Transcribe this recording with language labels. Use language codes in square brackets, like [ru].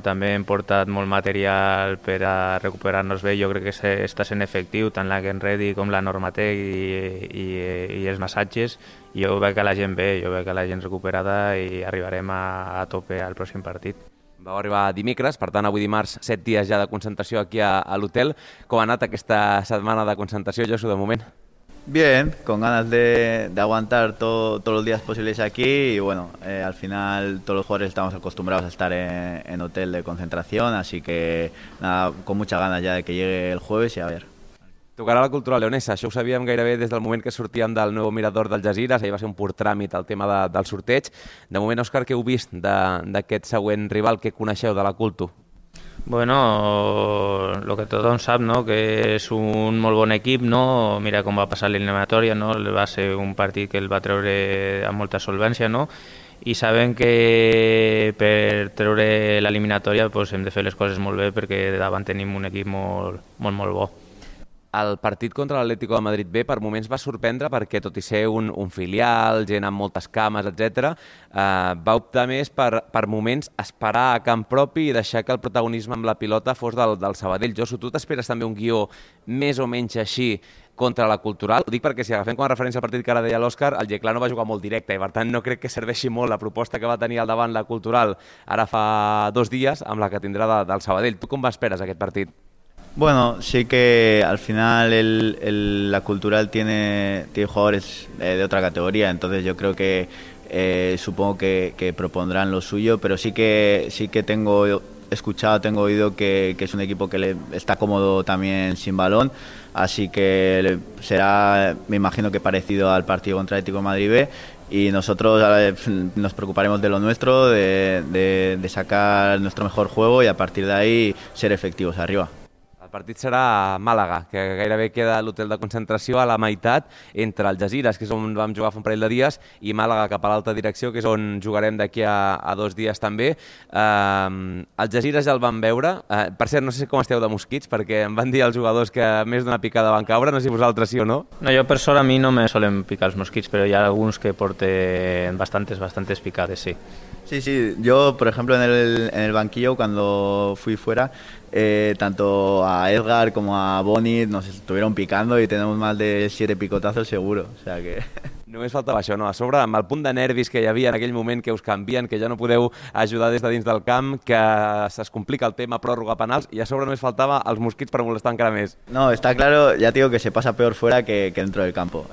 [ca] També hem portat molt material per a recuperar-nos bé, jo crec que està sent efectiu, tant la Game Ready com la Normatec i els massatges. Jo veig que la gent ve, jo veig que la gent recuperada i arribarem a tope al pròxim partit. Vau arribar dimecres, per tant, avui dimarts, 7 dies ja de concentració aquí a l'hotel. Com ha anat aquesta setmana de concentració, Josu, de moment? [es] Bien, con ganas de aguantar todos los días posibles aquí y bueno, al final todos los jugadores estamos acostumbrados a estar en hotel de concentración, así que nada, con muchas ganas ya de que llegue el jueves y a ver. [ca] Tocarà la cultura leonesa, això ho sabíem gairebé des del moment que sortíem del nou mirador del Jazira, ahir va ser un pur tràmit el tema del sorteig. De moment, Òscar, què heu vist d'aquest següent rival que coneixeu de la Cultu? [es] Bueno, lo que [ca] tothom sap, [es] no? [ca] Que és un molt bon equip, no? Mira com va passar l'eliminatòria, no? Va ser un partit que el va treure amb molta solvència, no? I sabem que per treure l'eliminatòria pues hem de fer les coses molt bé perquè davant tenim un equip molt, molt, molt bo. El partit contra l'Atlético de Madrid B per moments va sorprendre perquè, tot i ser un filial, gent amb moltes cames, etc., va optar més per moments esperar a camp propi i deixar que el protagonisme amb la pilota fos del Sabadell. Josu, tu t'esperes també un guió més o menys així contra la Cultural? Ho dic perquè si agafem com a referència el partit que ara deia l'Òscar, el Yeclano va jugar molt directe i per tant no crec que serveixi molt la proposta que va tenir al davant la Cultural ara fa dos dies amb la que tindrà del Sabadell. Tu com esperes aquest partit? [es] Bueno, sí que al final la Cultural tiene jugadores de otra categoría, entonces yo creo que supongo que propondrán lo suyo, pero sí que tengo oído que es un equipo que le está cómodo también sin balón, así que será, me imagino que parecido al partido contra Atlético Madrid B, y nosotros nos preocuparemos de lo nuestro, de sacar nuestro mejor juego y a partir de ahí ser efectivos arriba. [ca] El partit serà a Màlaga, que gairebé queda l'hotel de concentració a la meitat entre el Jazira, que és on vam jugar fa un parell de dies, i Màlaga cap a l'altra direcció, que és on jugarem d'aquí a dos dies també. El Jazira ja el vam veure. Per cert, no sé com esteu de mosquits, perquè em van dir els jugadors que més d'una picada van caure, no sé si vosaltres sí o no. No, jo per sort a mi no me solen picar els mosquits, però hi ha alguns que porten bastantes, bastantes picades, sí. [es] Sí, sí, yo por ejemplo en el banquillo cuando fui fuera, tanto a Edgar como a Bonit nos estuvieron picando y tenemos más de 7 picotazos seguro, o sea que... [ca] Només faltava això, no? A sobre, amb el punt de nervis que hi havia en aquell moment que us canvien, que ja no podeu ajudar des de dins del camp, que se's complica el tema pròrroga penals, i a sobre només faltava els mosquits per molestar encara més. [es] No, está claro, ya te digo que se pasa peor fuera que dentro del campo.